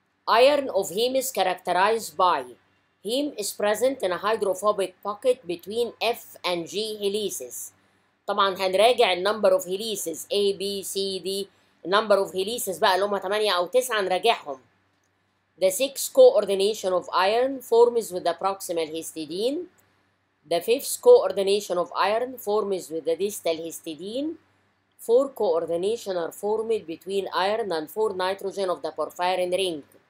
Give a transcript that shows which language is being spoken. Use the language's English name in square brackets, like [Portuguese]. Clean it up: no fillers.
[English] Iron of heme is characterized by heme is present in a hydrophobic pocket between F and G helices. [Arabic] طبعا هنراجع [English] number of helices A, B, C, D. Number of helices [Arabic] بقى اللي هم 8 أو 9 نراجعهم. [English] The 6 coordination of iron forms with the proximal histidine. The 5th coordination of iron forms with the distal histidine. 4 coordination are formed between iron and 4 nitrogen of the porphyrin ring.